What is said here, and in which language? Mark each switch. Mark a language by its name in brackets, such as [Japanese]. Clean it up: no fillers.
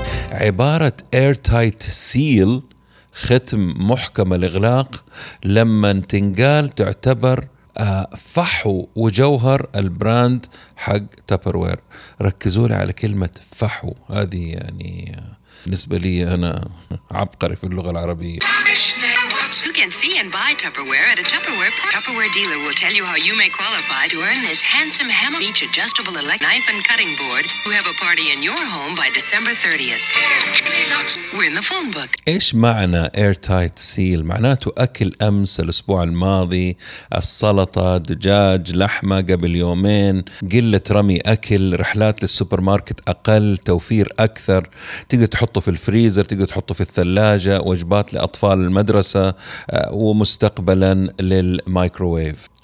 [Arabic] عبارة Airtight Seal، ختم محكم الإغلاق، لما تنقال تعتبر فحو وجوهر البراند حق تبروير. ركزوا لي على كلمة فحو، هذه يعني بالنسبة لي أنا عبقري في اللغة العربية. [English] You can see and buy Tupperware at a Tupperware park. Tupperware dealer will tell you how you may qualify to earn this handsome hammer, beach adjustable electric knife and cutting board. You have a party in your home by December 30th. We're in the phone book. [Arabic] إيش معنى Airtight Seal؟ معناته أكل أمس، الأسبوع الماضي، السلطة، دجاج، لحمة قبل يومين، قلة رمي أكل، رحلات للسوبر ماركت أقل، توفير أكثر، تقدر تحطه في الفريزر، تقدر تحطه في الثلاجة، وجبات لأطفال المدرسة، ومستقبلا للمايكروويف.